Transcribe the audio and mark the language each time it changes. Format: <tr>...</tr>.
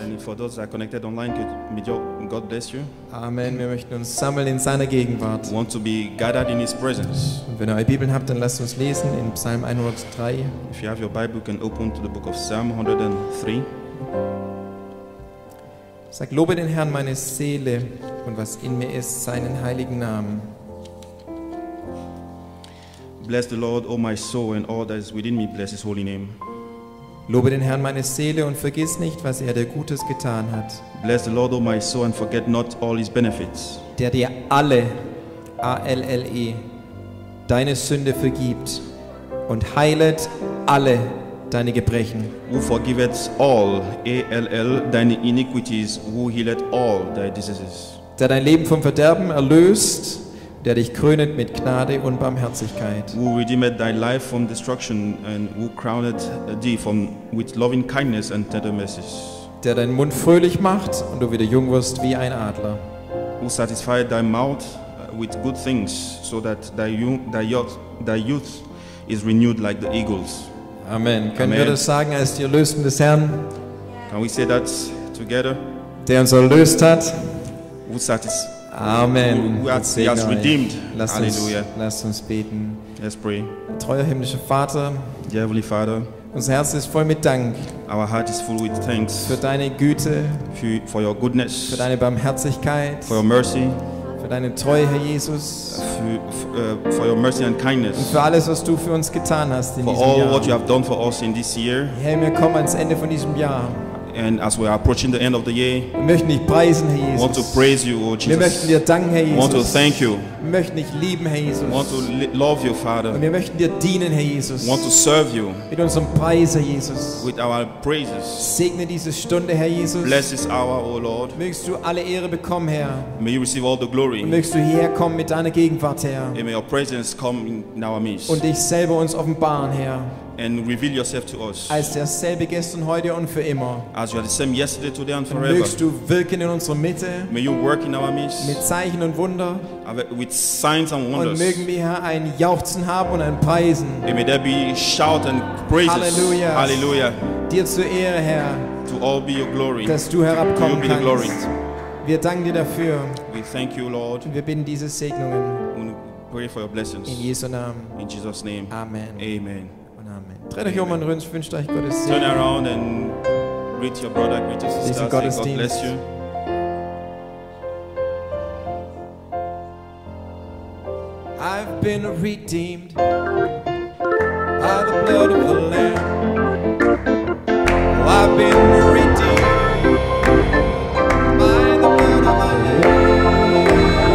<en>And for those that are connected online, God bless you.</en> <de>Amen. Wir möchten uns sammeln in seiner Gegenwart.</de> <en>We want to be gathered in his presence.</en> <de>Und wenn ihr eure Bibeln habt, dann lasst uns lesen in Psalm 103.</de> <en>If you have your Bible, you can open to the book of Psalm 103.</en> <de>Sag, lobe den Herrn, meine Seele. und was in mir ist, seinen heiligen Namen.</de> <en>Bless the Lord, O my soul, and all that is within me, bless his holy name.</en> <de>Lobe den Herrn, meine Seele, und vergiss nicht, was der Gutes getan hat.</de> <en>Bless the Lord, O my soul, and forget not all his benefits.</en> <de>Der dir alle, A-L-L-E, deine Sünde vergibt und heilet alle deine Gebrechen.</de> <en>Who forgiveth all, A-L-L,</en> <de>deine</de> <en>iniquities, who healeth all thy diseases.</en> <de>Der dein Leben vom Verderben erlöst, der dich krönet mit Gnade und Barmherzigkeit.</de> <en>Who redeemeth thy life from destruction and who crowned thee from, with loving kindness and tender mercies.</en> <de>Der deinen Mund fröhlich macht und du wieder jung wirst wie ein Adler.</de> <en>Who satisfied thy mouth with good things, so that thy youth is renewed like the eagles. Amen.</en> <de>Können wir das sagen als die Erlösten des Herrn?</de> <en>Can we say that together?</en> <de>Der uns erlöst hat.</de> <en>Who satis? Amen. Who has redeemed? Halleluja.</en> <de>Lasst uns beten.</de> <en>Let's pray.</en> <de>Treuer himmlischer Vater.</de> <en>The Heavenly Father.</en> <de>Unser Herz ist voll mit Dank.</de> <en>Our heart is full with thanks.</en> <de>Für deine Güte.</de> <en>For your goodness.</en> <de>Für deine Barmherzigkeit.</de> <en>For your mercy.</en> <de>Für deine Treue, Herr Jesus.</de> <en>For your mercy and kindness.</en> <de>Und für alles, was du für uns getan hast in diesem Jahr.</de> <en>For all what you have done for us in this year.</en> <de>Herr, wir kommen ans Ende von diesem Jahr.</de> <en>And as we are approaching the end of the year,</en> <de>wir möchten dich preisen, Herr Jesus.</de> <en>We want to praise you, O Jesus.</en> <de>Wir möchten dir danken, Herr Jesus.</de> <en>We want to thank you.</en> <de>Wir möchten dich lieben, Herr Jesus.</de> <en>We want to love you, Father.</en> <de>Und wir möchten dir dienen, Herr Jesus.</de> <en>We want to serve you.</en> <de>Mit unserem Preis, Herr Jesus.</de> <en>With our praises.</en> <de>Segne diese Stunde, Herr Jesus.</de> <en>Bless this hour, O Lord.</en> <de>Mögst du alle Ehre bekommen, Herr.</de> <en>May you receive all the glory.</en> <de>Und mögst du hierher kommen mit deiner Gegenwart, Herr.</de> <en>And may your presence come in our midst.</en> <de>Und dich selber uns offenbaren, Herr.</de> <en>And reveal yourself to us.</en> <de>Als derselbe gestern, heute und für immer.</de> <en>As you are the same yesterday, today and forever.</en> <de>Mögst du wirken in unserer Mitte.</de> <en>May you work in our midst.</en> <de>Mit Zeichen und Wunder.</de> <en>With signs and wonders.</en> <de>Und mögen wir, Herr, ein Jauchzen haben und ein Preisen.</de> <en>And may there be shout and praises. Halleluja. Halleluja.</en> <de>Dir zur Ehre, Herr.</de> <en>To all be your glory.</en> <de>Dass du herabkommen kannst.</de> <en>To you be the glory.</en> <de>Wir danken dir dafür.</de> <en>We thank you, Lord.</en> <de>Und wir bitten diese Segnungen.</de> <en>And pray for your blessings.</en> <de>In Jesu Namen.</de> <en>In Jesus' name. Amen. Amen.</en> <de>Dreht euch um und wünscht euch Gottes Segen.</de> <en>Turn around and greet your brother, greet your sister. Say God bless you. I've been redeemed by the blood of the Lamb. I've been redeemed by the blood of my Lamb.</en>